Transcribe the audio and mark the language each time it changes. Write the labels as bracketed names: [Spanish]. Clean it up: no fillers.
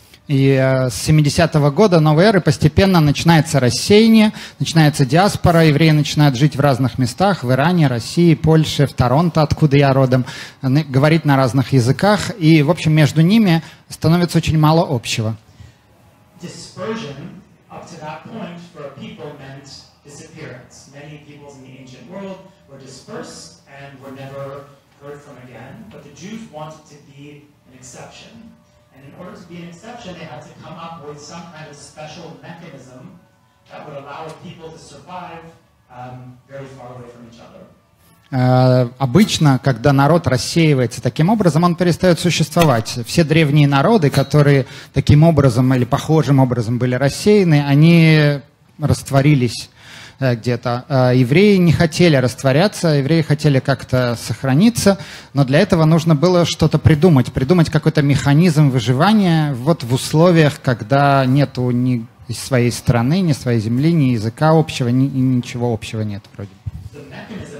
[Russian] И с 70-го года новой эры постепенно начинается рассеяние, начинается диаспора, евреи начинают жить в разных местах, в Иране, России, Польше, в Торонто, откуда я родом, говорить на разных языках, и, в общем, между ними становится очень мало общего. [English] Dispersion up to that point for a people meant disappearance. Many peoples in the ancient world were dispersed and were never heard from again. But the Jews wanted to be an exception. And in order to be an exception, they had to come up with some kind of special mechanism that would allow a people to survive very far away from each other. [Russian] Обычно, когда народ рассеивается таким образом, он перестает существовать. Все древние народы, которые таким образом или похожим образом были рассеяны, они растворились где-то. Евреи не хотели растворяться, евреи хотели как-то сохраниться, но для этого нужно было что-то придумать, придумать какой-то механизм выживания вот в условиях, когда нету ни своей страны, ни своей земли, ни языка общего, ничего общего нет вроде бы.